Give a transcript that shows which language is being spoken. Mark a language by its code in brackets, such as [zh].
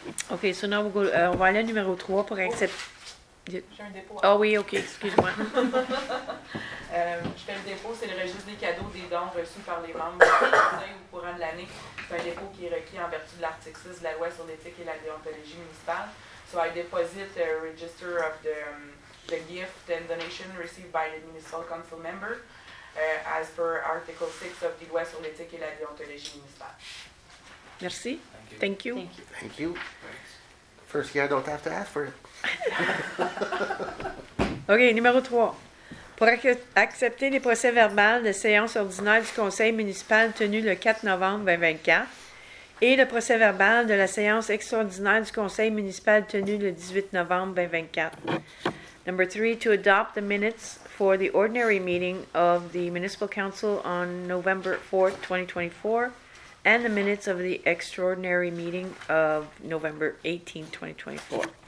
[en] Okay, so now we'll go, [fr] on va aller à numéro 3 pour accepter... J'ai un dépôt. Ah oui, ok, excuse-moi. je fais le dépôt, c'est le registre des cadeaux des dons reçus par les membres ou courant de l'année. C'est un dépôt qui est requis en vertu de l'article 6 de la loi sur l'éthique et la déontologie municipale. [en] So I deposit a register of the gift and donation received by the municipal council member as per article 6 of the loi sur l'éthique et la déontologie municipale. [fr] Merci. [en] Thank you. Thank you. Thank you. First, yeah, I don't have to ask for it. [fr] OK, numéro 3. Pour accepter les procès-verbaux de séance ordinaire du conseil municipal tenu le 4 novembre 2024 et le procès-verbal de la séance extraordinaire du conseil municipal tenu le 18 novembre 2024. [en] Number 3, to adopt the minutes for the ordinary meeting of the municipal council on November 4, 2024. And the minutes of the extraordinary meeting of November 18, 2024.